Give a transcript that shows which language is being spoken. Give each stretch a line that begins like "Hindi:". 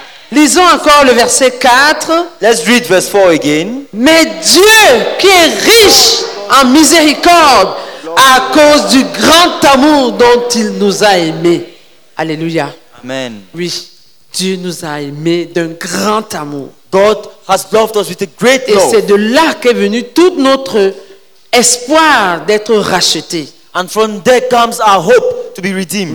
French: Lisons encore le verset 4.
English: Let's read verse 4 again.
French: Mais Dieu qui est riche en miséricorde, à cause du grand amour dont il nous a aimés. Alléluia. Amen. Oui, Dieu nous a aimés d'un grand amour.
English: God has loved us with a great love.
French: Et c'est de là qu'est venu tout notre espoir d'être racheté.
English: And from there comes our hope to be redeemed.